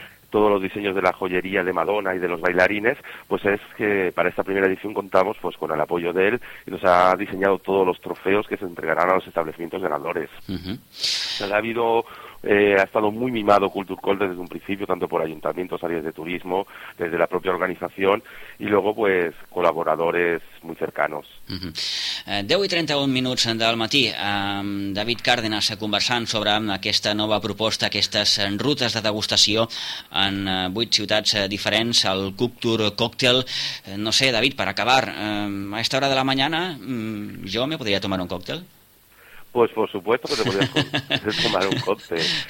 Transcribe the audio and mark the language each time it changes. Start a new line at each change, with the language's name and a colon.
Spanish: Todos los diseños de la joyería de Madonna y de los bailarines, pues es que para esta primera edición contamos pues con el apoyo de él y nos ha diseñado todos los trofeos que se entregarán a los establecimientos ganadores. Ha habido ha estado muy mimado Culturcol desde un principio, tanto por ayuntamientos, áreas de turismo, desde la propia organización, y luego pues colaboradores muy cercanos.
Catalan: Mm-hmm. 10 i 31 minuts del matí. David Cárdenas conversant sobre aquesta nova proposta, aquestes rutes de degustació en 8 ciutats diferents, el Cook Tour Cocktail.
Spanish: No sé, David,
Catalan: per acabar,
Spanish: a esta hora de la mañana, jo me podria tomar un cóctel? Pues por supuesto que te podrías tomar un cóctel.